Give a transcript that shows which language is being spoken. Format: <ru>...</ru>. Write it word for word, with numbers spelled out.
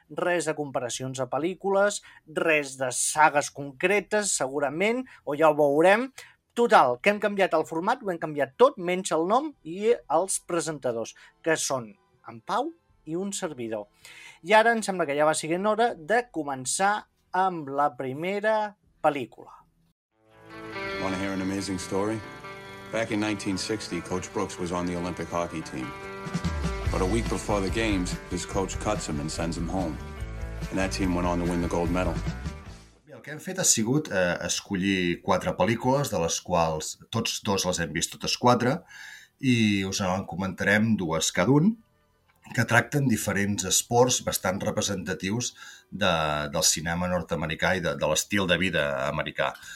<ca>Res de comparacions a pel·lícules, res de sagues concretes, segurament, o ja ho veurem. Total, que hem canviat el format, ho hem canviat tot, menys el nom i els presentadors, que són en Pau i un servidor. I ara em sembla que ja va siguent hora de començar amb la primera pel·lícula.</ca> <en>Want to hear an amazing story? Back in nineteen sixty, Coach Brooks was on the Olympic hockey team. But a week before the games, his coach cuts him and sends him home. And that team went on to win the gold medal.</en> <ca>El que hem fet ha sigut eh, escollir quatre pel·lícules, de les quals tots dos les hem vist totes quatre, i us en comentarem dues cada un, que tracten diferents esports bastant representatius de, del cinema nord-americà i de, de l'estil de vida americà.</ca>